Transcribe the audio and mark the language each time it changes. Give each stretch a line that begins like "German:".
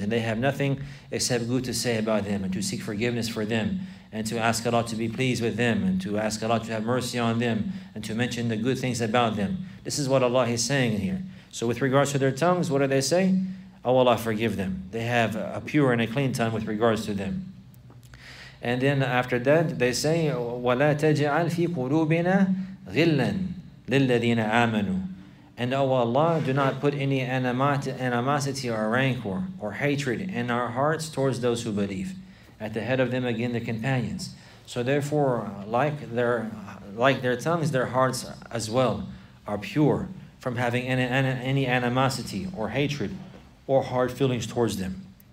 English: And they have nothing except good to say about them, and to seek forgiveness for them, and to ask Allah to be pleased with them, and to ask Allah to have mercy on them, and to mention the good things about them. This is what Allah is saying here. So with regards to their tongues, what do they say? Oh Allah, forgive them. They have a pure and a clean tongue with regards to them. And then after that, they say,
Arabic: وَلَا تَجْعَلْ فِي قُلُوبِنَا غِلًّا لِلَّذِينَ آمَنُوا.
English: And O Allah, do not put any animosity or rancor or hatred in our hearts towards those who believe. At the head of them, again, the companions. So therefore, like their tongues, their hearts as well are pure from having any animosity or hatred or hard feelings towards them.